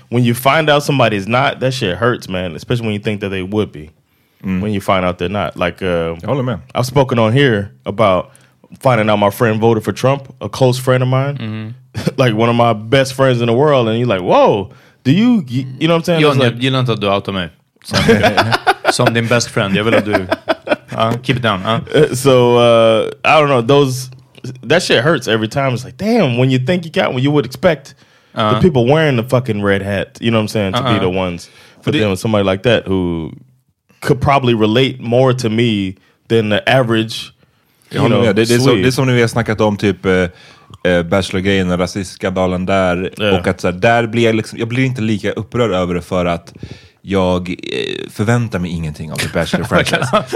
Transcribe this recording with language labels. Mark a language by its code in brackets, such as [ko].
[en] When you find out somebody's not, that shit hurts, man. Especially when you think that they would be. Mm. When you find out they're not. Like, hold on, man. I've spoken on here about finding out my friend voted for Trump, a close friend of mine. Mm-hmm. Like, one of my best friends in the world. And you're like, whoa, do you know what I'm saying? You don't have to do out of me. [sv] som din [en] best friend. [sv] Jag vill att du [en] keep it down. So I don't know, those, that shit hurts every time. It's like, damn, when you think you got what you would expect, the people wearing the fucking red hat, you know what I'm saying, to be the ones. But then somebody like that who could probably relate more to me than the average, you know, [sv] det är som när vi har snackat om typ bachelor-grejen, den rasistiska dalen där. [en] Yeah. [sv] Och att så här, där blir jag liksom, jag blir inte lika upprörd över det för att jag förväntar mig ingenting av The Bachelor franchise.